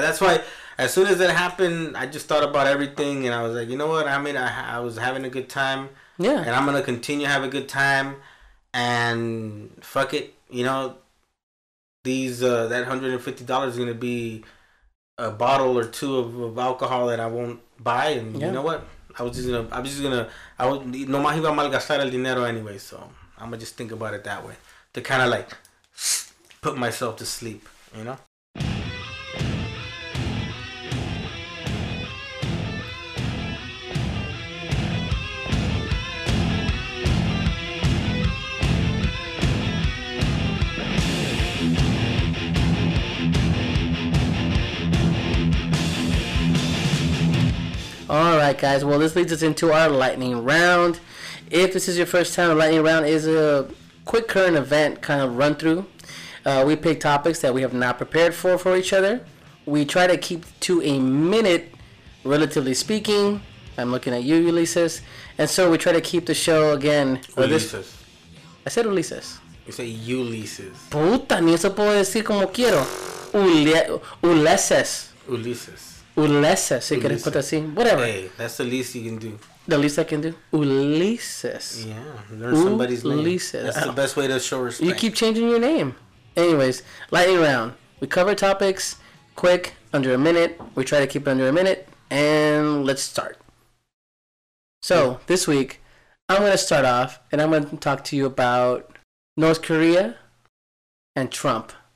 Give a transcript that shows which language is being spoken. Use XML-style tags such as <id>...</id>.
<en>That's why as soon as that happened, I just thought about everything. And I was like, you know what? I mean, I was having a good time. Yeah. And I'm going to continue to have a good time. And fuck it. You know, that $150 is going to be a bottle or two of alcohol that I won't buy. And yeah. You know what?</en> <es>No más iba a malgastar el dinero</es> <en>anyway. So I'm going to just think about it that way. To kind of like put myself to sleep, you know? All right, guys. Well, this leads us into our lightning round. If this is your first time, lightning round is a quick current event kind of run through. We pick topics that we have not prepared for each other. We try to keep to a minute, relatively speaking. I'm looking at you, Ulysses. And so we try to keep the show again. Ulysses. I said Ulysses. You say Ulysses.</en> <es>Puta, ni eso puedo decir como quiero.</es> <en>Ulysses. Ulysses.</en> <es>Ulysses, si quieres put así.</es> <en>Whatever. Hey, that's the least you can do. The least I can do? Ulysses. Yeah, learn somebody's Ulysses. Name. That's the best way to show respect. You keep changing your name. Anyways, lightning round. We cover topics quick, under a minute. We try to keep it under a minute. And let's start. So, this week, I'm going to start off, and I'm going to talk to you about North Korea and Trump.</en>